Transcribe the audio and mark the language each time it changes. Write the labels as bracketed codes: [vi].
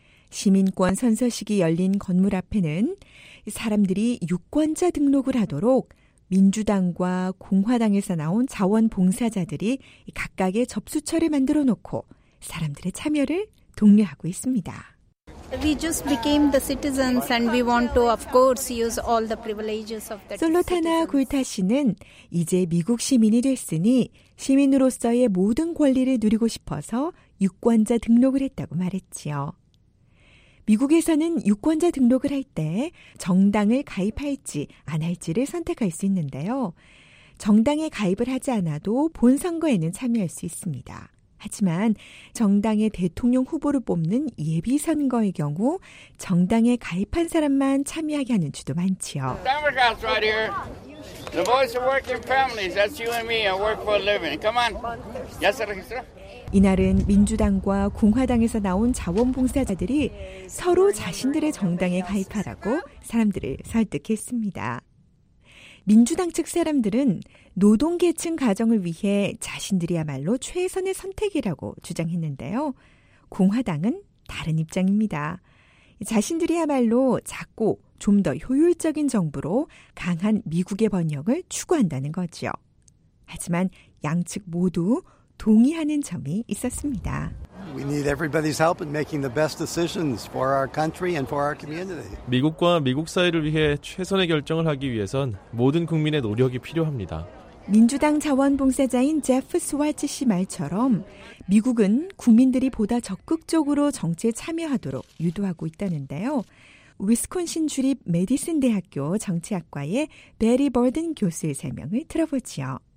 [ko] 시민권 선서식이 열린 건물 앞에는 사람들이 유권자 등록을 하도록 민주당과 공화당에서 나온 자원봉사자들이 각각의 접수처를 만들어 놓고 사람들의 참여를 독려하고 있습니다. [en] We just became the citizens and we want to, of course, use all the privileges of the. [ko] 솔로타나 굴타 씨는 이제 미국 시민이 됐으니 시민으로서의 모든 권리를 누리고 싶어서 유권자 등록을 했다고 말했지요. 미국에서는 유권자 등록을 할 때 정당을 가입할지 안 할지를 선택할 수 있는데요. 정당에 가입을 하지 않아도 본 선거에는 참여할 수 있습니다. 하지만 정당의 대통령 후보를 뽑는 예비선거의 경우 정당에 가입한 사람만 참여하게 하는 주도 많지요. [en] The voice of working families, that's you and me, I work for a living. Come on. Yes, sir. Yes, sir. [ko] 이날은 민주당과 공화당에서 나온 자원봉사자들이 서로 자신들의 정당에 가입하라고 사람들을 설득했습니다. 민주당 측 사람들은 노동계층 가정을 위해 자신들이야말로 최선의 선택이라고 주장했는데요. 공화당은 다른 입장입니다. 자신들이야말로 작고 좀 더 효율적인 정부로 강한 미국의 번영을 추구한다는 거죠. 하지만 양측 모두 동의하는 점이 있었습니다. [en] We need everybody's help in making the best decisions for our country and for our community. [ko] 미국과 미국 사회를 위해 최선의 결정을 하기 위해선 모든 국민의 노력이 필요합니다. 민주당 자원봉사자인 제프 스왈츠 씨 말처럼 미국은 국민들이 보다 적극적으로 정치에 참여하도록 유도하고 있다는데요. 위스콘신 주립 메디슨 대학교 정치학과의 베리 버든 교수의 설명을 들어보지요.